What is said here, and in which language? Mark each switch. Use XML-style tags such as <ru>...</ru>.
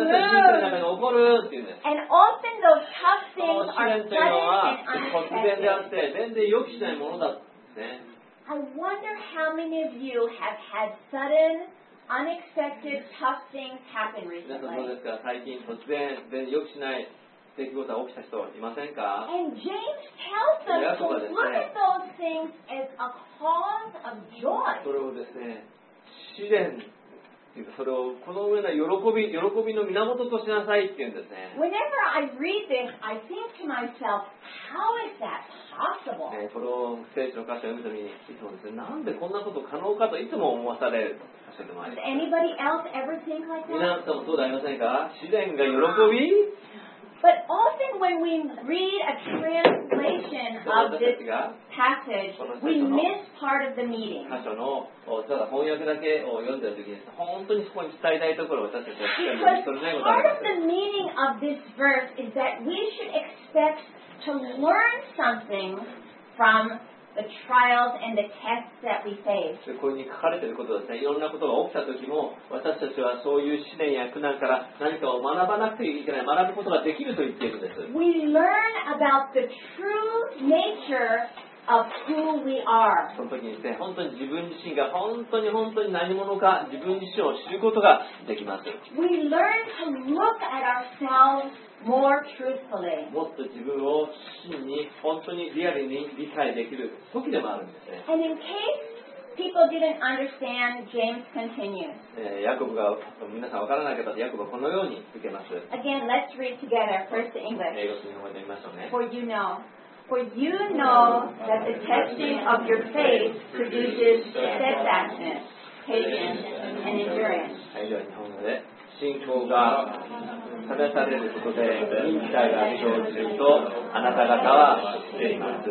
<en>I wonder how many of you have had sudden, unexpected tough things happen recently. And James tells them to look at those things as a cause of joy.</en> <ja>それをですね、試練それをこの上の喜びの源としなさいって言うんですね。</ja> <en>Whenever I read this, I think to myself, how is that possible?</en> <ja>ね、この聖書の箇所を読むときにいつもですね、なんでこんなこと可能かといつも思わされる箇所でもあります。</ja> <en>Does anybody else ever think like that?</en> <ja>皆さんもそうでありませんか？試練が喜び？</ja> <en>But often when we read a translation of this passage, we miss part of the meaning.</en> <ja>箇所のただ翻訳だけを読んでるときに、本当にそこに伝えたいところを私たちは知らないことがあります。</ja> <en>Part of the meaning of this verse is that we should expect to learn something from the trials and the tests that we face.</en> <ja>ここに書かれていることですね。いろんなことが起きたときも、私たちはそういう試練や苦難から何かを学ばなくてはいけない、学ぶことができると言っているんです。</ja> <en>We learn about the true nature of who we are.</en> <ja>そのときにですね、本当に自分自身が本当に何者か、自分自身を知ることができます。</ja> <en>We learn to look at ourselves. More truthfully.</en> <ja>もっと自分を真に本当にリアルに理解できる時でもあるんですね。</ja> <en>And in case people didn't understand, James continues.</en> <ja>ヤコブが皆さん分からなければヤコブはこのように受けます。</ja> <en>Again, let's read together, first in English.</en> <ja>英語で読んでみましょうね。</ja> <en>For you know. For you know that the testing of your faith produces steadfastness, patience, and endurance.</en> <ja>信仰が試されることで忍耐が生じるとあなた方は知っています。</ja>